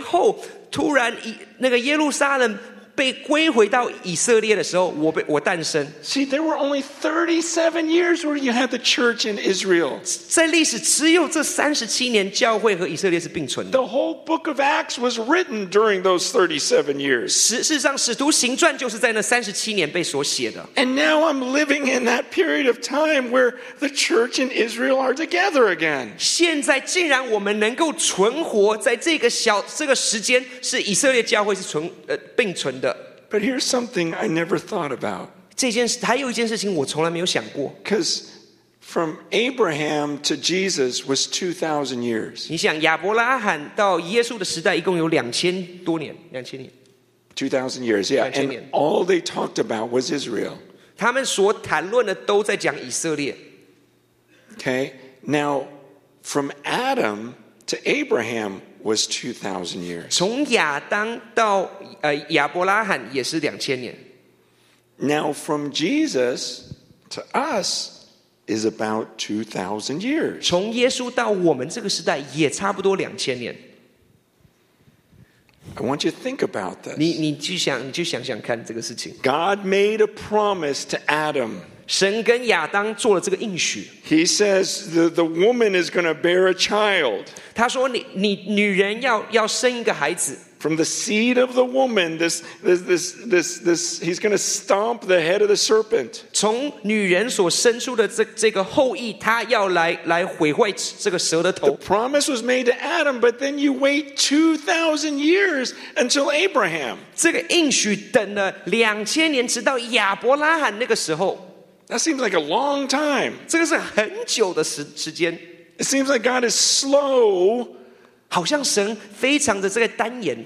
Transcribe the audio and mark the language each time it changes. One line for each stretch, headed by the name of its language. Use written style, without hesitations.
Chinese: 就是在过了1900年后，突然那个耶路撒冷 被归回到以色列的时候，我诞生。
English: See, there were only 37 years where you had the church in Israel.
Chinese: 在历史只有这37年，教会和以色列是并存的。
English: The whole book of Acts was written during those 37 years.
Chinese: 事实上，使徒行传就是在那37年被所写的。
English: And now I'm living in that period of time where the church and Israel are together again.
Chinese: 现在既然我们能够存活在这个时间，是以色列教会是并存的。
English: But here's something I never thought about.
Chinese: 还有一件事情我从来没有想过。
English: Because from Abraham to Jesus was 2,000 years.
Chinese: 你想亚伯拉罕到耶稣的时代一共有2000多年, 2000年。
English: 2,000 years, yeah. And all they talked about was Israel.
Chinese: 他们所谈论的都在讲以色列。
English: Okay, now from Adam to Abraham was 2,000 years.
Chinese: 从亚当到亚伯拉罕也是2000年。
English: Now from Jesus to us is about 2,000 years.
Chinese: 从耶稣到我们这个时代也差不多2000年。
English: I want you to think about this.
Chinese: 你去想想看这个事情。
English: God made a promise to Adam.
Chinese: 神跟亚当做了这个应许。
English: He says the woman is going to bear a child.
Chinese: 他说女人要生一个孩子。
English: From the seed of the woman, this he's going to stomp the head of the serpent.
Chinese: 从女人所生出的这个后裔，他要来毁坏这个蛇的头。
English: The promise was made to Adam, but then you wait 2,000 years until Abraham.
Chinese: 这个应许等了2000年，直到亚伯拉罕那个时候。
English: That seems like a long time.
Chinese: 这个是很久的时间。
English: It seems like God is slow
Chinese: 好像神非常的这个单言